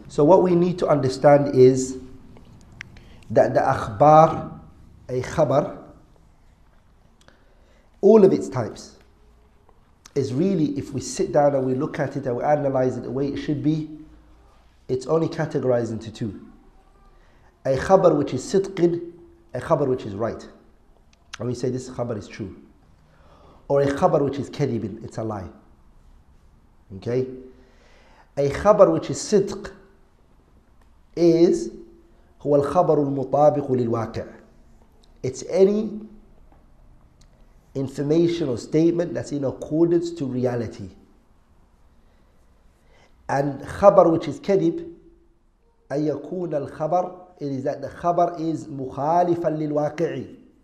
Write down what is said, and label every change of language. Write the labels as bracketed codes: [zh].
[en] So what we need to understand is that the akhbar, a khabar, all of its types, is really, if we sit down and we look at it and we analyze it the way it should be, it's only categorized into two. A khabar which is sitqin, a khabar which is right. And we say this khabar is true. Or a khabar which is kadibin, it's a lie. Okay? A khabar which is sitq is [ar] هو الخبر المطابق للواقع. [en] It's any information or statement that's in accordance to reality. And khabar which is kadib, [ar] أن يكون الخبر, [en] it is that the khabar is [ar] مخالفا للواقع.